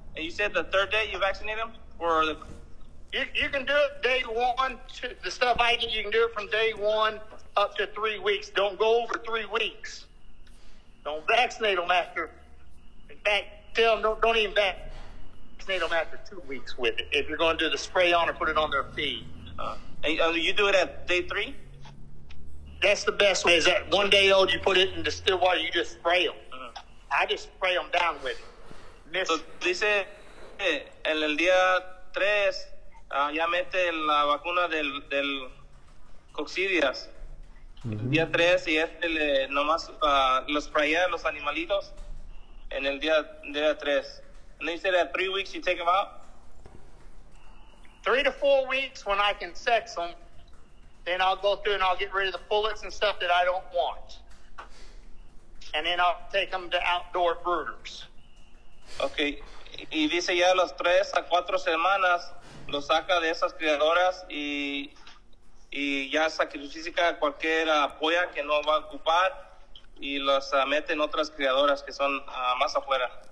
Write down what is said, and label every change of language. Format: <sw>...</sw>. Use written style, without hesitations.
<en>And you said the third day you vaccinate them? Or the... You can do it day one. The stuff I get, you can do it from day one up to 3 weeks. Don't go over 3 weeks. Don't vaccinate them after. In fact, tell them don't even vaccinate them after 2 weeks with it. If you're going to do the spray on or put it on their feet. You do it at day three? That's the best way. Is that 1 day old, you put it in distilled water, you just spray them. Uh-huh. I just spray them down with it.</en> <es>So dice, en el día tres, ya mete la vacuna del coccidias. Mm-hmm. Día 3 y este le nomás los spraya los animalitos en el día 3.</es> <en>And then you said that 3 weeks you take them out? 3 to 4 weeks when I can sex them. Then I'll go through and I'll get rid of the pullets and stuff that I don't want. And then I'll take them to outdoor brooders. Okay.</en> <es>Y dice ya los 3 a 4 semanas los saca de esas criadoras y ya sacrifica cualquier polla que no va a ocupar y las mete en otras criadoras que son más afuera.</es>